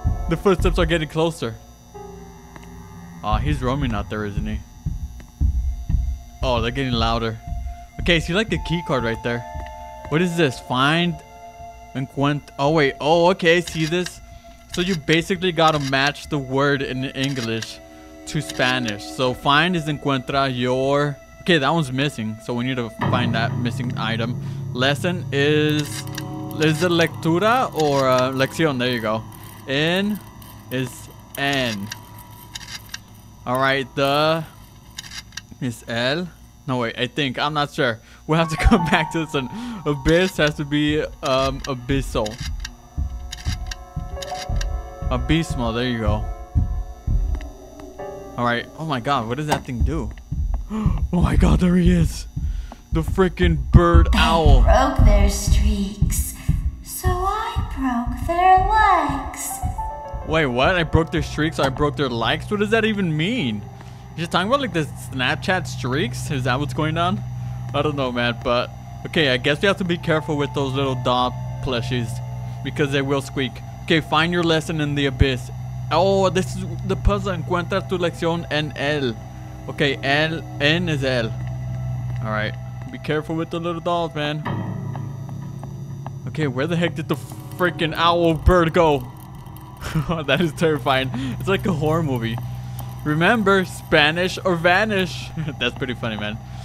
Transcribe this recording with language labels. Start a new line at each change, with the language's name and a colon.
English: The footsteps are getting closer. Aw, he's roaming out there, isn't he? Oh, they're getting louder. Okay, see, like, a key card right there. What is this? Find and quent. Oh, wait. Oh, okay. See this? So you basically got to match the word in English to Spanish. So find is encuentra your... Okay, that one's missing. So we need to find that missing item. Lesson is... Is it lectura or lección? There you go. N is N. All right, the... Is L? No, wait, I think. I'm not sure. We'll have to come back to this one. Abyss has to be abyssal. Abysmal, there you go. Alright, oh my god, what does that thing do? Oh my god, there he is. The freaking bird owl. I broke their streaks, so I broke their likes. Wait, what? I broke their streaks, so I broke their likes? What does that even mean? Just talking about like the Snapchat streaks? Is that what's going on? I don't know, man, but okay, I guess we have to be careful with those little dog plushies because they will squeak. Okay, find your lesson in the abyss. Oh, this is the puzzle.
Spanish: Encuentra tu lección en L.
English: Okay, L, N is L. All right, be careful with the little dolls, man. Okay, where the heck did the freaking owl bird go? That is terrifying. It's like a horror movie. Remember, Spanish or vanish. That's pretty funny, man.